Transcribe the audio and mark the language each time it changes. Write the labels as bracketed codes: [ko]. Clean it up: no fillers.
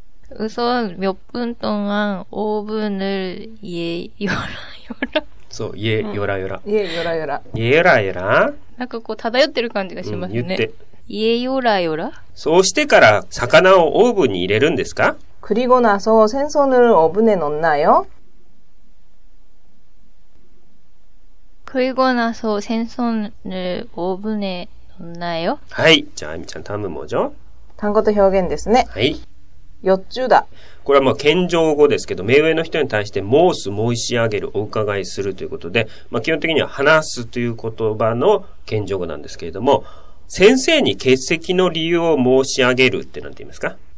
[ko] 우선몇분동안오븐을예열하여라。そう、 예열하여라。 예열하여라。 예열하여라。 [ja] なんかこう漂ってる感じがしますね。言って。 [ko] 예열하여라。 [ja] そうしてから魚をオーブンに入れるんですか？ [ko] 그리고나서생선을오븐에넣나요？ 그리고나서생선을오븐에넣나요 [ja] はい。じゃあ、あみちゃん、単語 뭐죠 単語と表現ですね。はい。よっちゅうだ。これはまあ、謙譲語ですけど、目上の人に対して申す、申し上げる、お伺いするということで、まあ、基本的には話すという言葉の謙譲語なんですけれども、先生に欠席の理由を申し上げるって何て言いますか